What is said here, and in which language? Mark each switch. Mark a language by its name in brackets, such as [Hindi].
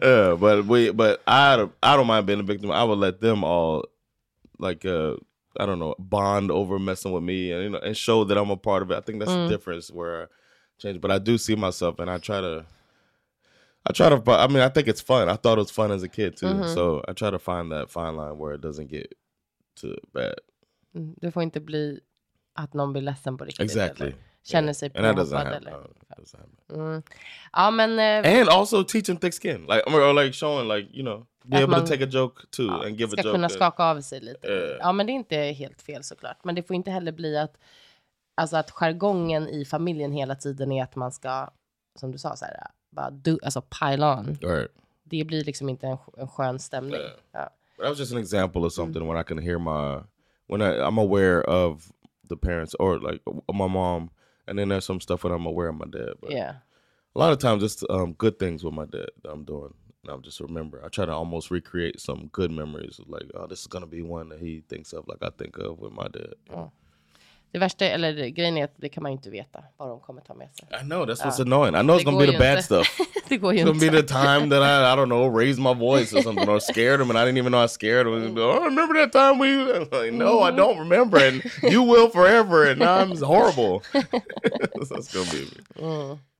[English] Yeah, but I don't mind being a victim. I would let them all like I don't know, bond over messing with me and you know, and show that I'm a part of it. I think that's the difference where I change, but I do see myself and I try to I mean, I think it's fun. I thought it was fun as a kid too. Mm-hmm. So, I try to find that fine line where it doesn't get too bad. [Swedish] Det får inte bli att någon blir ledsen på riktigt. [English] Exactly. [Swedish] Eller? Känner sig på något sätt Ja, men [English] and also teaching thick skin, like or like showing like you know, be able to take a joke too and give a joke. [Swedish] Ska kunna skaka av sig lite. Ja, men det är inte helt fel såklart, men det får inte heller bli att alltså att jargongen i familjen hela tiden är att man ska, som du sa så här, bara do, alltså [English] pile on. Right. [Swedish] Det blir liksom inte en skön stämning. [English] Yeah. But that was just an example of something when I can hear when I'm aware of the parents or like my mom. And then there's some stuff that I'm aware of my dad. But yeah. A lot of times, just good things with my dad that I'm doing. And I'm just remembering. I try to almost recreate some good memories. Like, oh, this is going to be one that he thinks of, like I think of with my dad. [Swedish] Det värsta, eller grejen är att det kan man inte veta vad de kommer ta med sig. [English] I know, that's what's annoying. I know it's going to be the bad stuff. [Swedish] Det går ju inte. [English] It's going to be the time that I don't know, raised my voice or something. Or scared him, and I didn't even know I scared him. Oh, remember that time we... Like, no, I don't remember. And you will forever, and now I'm horrible. That's going to be me.